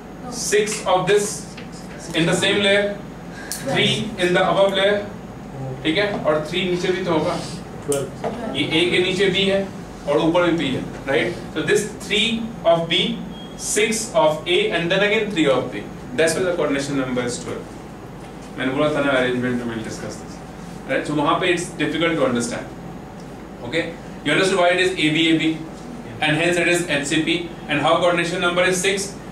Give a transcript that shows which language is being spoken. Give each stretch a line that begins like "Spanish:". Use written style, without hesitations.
English: Six of this in the same layer, three in the above layer,
Hindi: ठीक है? और three नीचे भी तो होगा.
English: Twelve.
Hindi: ये A के नीचे B है. और ऊपर भी है, right?
English: So this 3 of B, 6 of A, and then again 3 of B. That's why the coordination number is 12.
Hindi: मैंने बोला था ना arrangement में,
English: we'll discuss this, right? So
Hindi: वहाँ पे
English: it's difficult to understand. Okay? You understand why it is ABAB, and hence it is HCP, and how coordination number is 6.